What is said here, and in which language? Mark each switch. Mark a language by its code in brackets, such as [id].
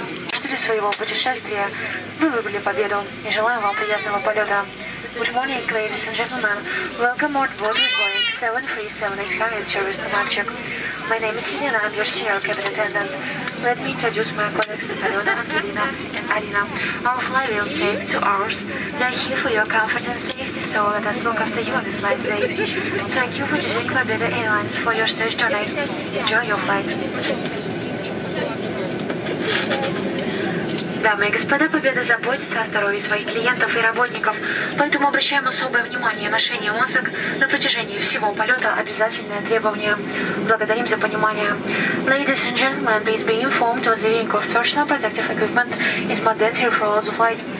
[ru] После своего путешествия вы выбрали победу и желаем вам приятного полета. [en] Good morning, ladies and gentlemen. Welcome on board with Boeing 737-800 service to Nalchik. My name is Elena, I'm your CEO cabin attendant. Let me introduce my colleagues, Alena, Angelina, and Alina. Our flight will take 2 hours. We are here for your comfort and safety, so let us look after you on this flight day. Thank you for choosing Победа Airlines for your stage journey. Enjoy your flight. [ru] Дамы и господа, Победа заботится о здоровье своих клиентов и работников, поэтому обращаем особое внимание. Ношение масок на протяжении всего полета – обязательное требование. Благодарим за понимание. [en] Ladies and gentlemen, please be informed that the wearing of personal protective equipment is mandatory for all the flight.